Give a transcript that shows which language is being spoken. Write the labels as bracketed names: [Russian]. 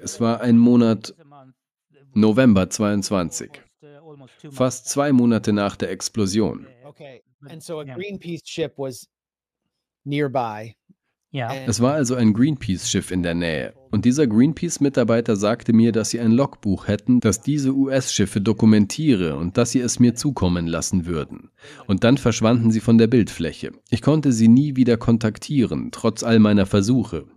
[German] Es war ein Monat, November 22. Fast 2 Monate nach der Explosion. [English] Okay, and so a Greenpeace ship was nearby. [German] Es war also ein Greenpeace-Schiff in der Nähe. Und dieser Greenpeace-Mitarbeiter sagte mir, dass sie ein Logbuch hätten, das diese US-Schiffe dokumentiere und dass sie es mir zukommen lassen würden. Und dann verschwanden sie von der Bildfläche. Ich konnte sie nie wieder kontaktieren, trotz all meiner Versuche.